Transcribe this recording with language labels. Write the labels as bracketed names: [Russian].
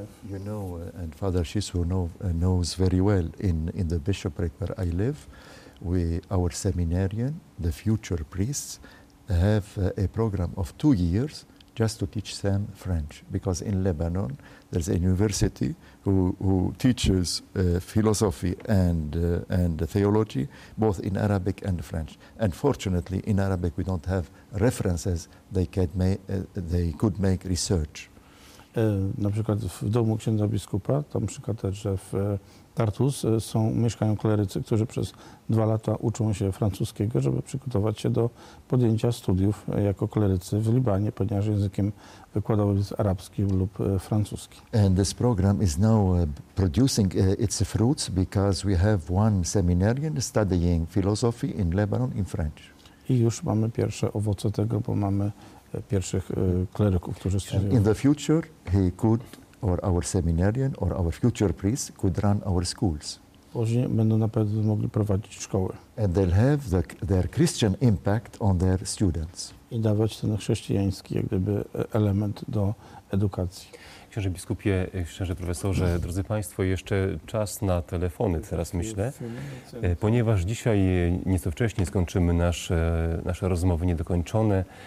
[English] You know, and Father Shisu knows very well, in the bishopric where I live, we, our seminarian, the future priests, have a program of 2 years just to teach them French, because in Lebanon there's a university who teaches philosophy and theology both in Arabic and French. And fortunately, in Arabic we don't have references they could make research. [Polish] Na przykład w domu księdza biskupa, tam przy katedrze w Tartus, mieszkają klerycy, którzy przez 2 lata uczą się francuskiego, żeby przygotować się do podjęcia studiów jako klerycy w Libanie, ponieważ językiem wykładowym jest arabski lub francuski. [English] And this program is now producing its fruits because we have one seminarian studying philosophy in Lebanon in French. [Polish] I już mamy pierwsze owoce tego, bo mamy pierwszych kleryków, którzy studiują. [English] In the future he could, or our seminarian, or our future priests could run our schools. [Polish] Później będą na pewno mogli prowadzić szkoły. [English] And they'll have their Christian impact on their students. [Polish] I dawać ten chrześcijański, jak gdyby, element do edukacji. Księże biskupie, księże profesorze, drodzy państwo, jeszcze czas na telefony teraz, myślę, ponieważ dzisiaj nieco wcześniej skończymy nasze rozmowy niedokończone.